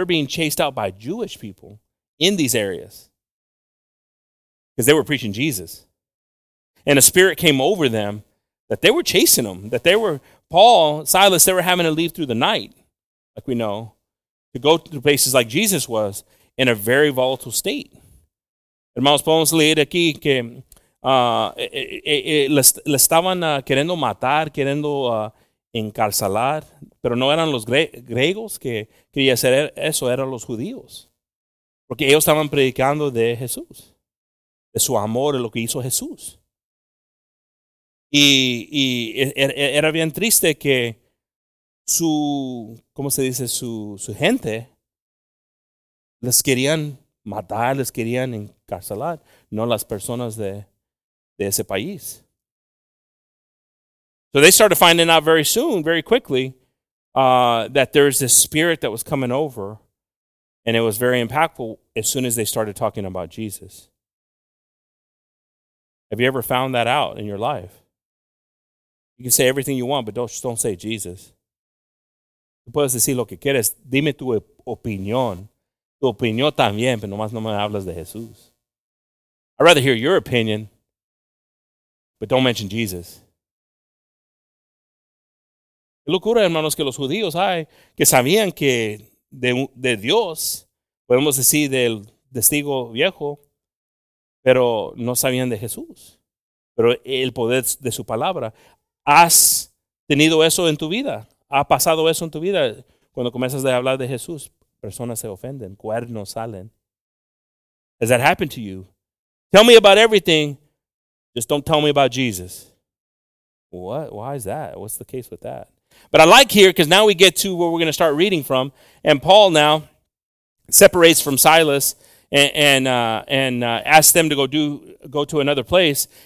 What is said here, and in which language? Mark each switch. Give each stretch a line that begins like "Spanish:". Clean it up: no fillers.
English: They were being chased out by Jewish people in these areas because they were preaching Jesus. And a spirit came over them that they were chasing them, that they were, Paul, Silas, they were having to leave through the night, like we know, to go to places like Jesus was in a very volatile state.
Spanish: Hermanos, podemos leer aquí que le estaban queriendo matar, queriendo encarcelar, pero no eran los griegos que querían hacer eso, eran los judíos, porque ellos estaban predicando de Jesús, de su amor, de lo que hizo Jesús. Y era bien triste que su, ¿cómo se dice? Su gente les querían matar, les querían encarcelar, no las personas de ese país.
English: So they started finding out very soon, very quickly, that there's this spirit that was coming over, and it was very impactful as soon as they started talking about Jesus. Have you ever found that out in your life? You can say everything you want, but don't say Jesus.
Spanish: puedes decir lo que quieres, dime tu opinión. Tu opinión también, pero nomás no me hablas de Jesús.
English: I'd rather hear your opinion, but don't mention Jesus.
Spanish: Qué locura, hermanos, que los judíos hay, que sabían que de Dios, podemos decir del testigo viejo, pero no sabían de Jesús. Pero el poder de su palabra. ¿Has tenido eso en tu vida? ¿Ha pasado eso en tu vida? Cuando comienzas a hablar de Jesús, personas se ofenden, cuernos salen.
English: Has that happened to you? Tell me about everything, just don't tell me about Jesus. What? Why is that? What's the case with that? But I like here, because now we get to where we're going to start reading from. And Paul now separates from Silas and asks them to go to another place.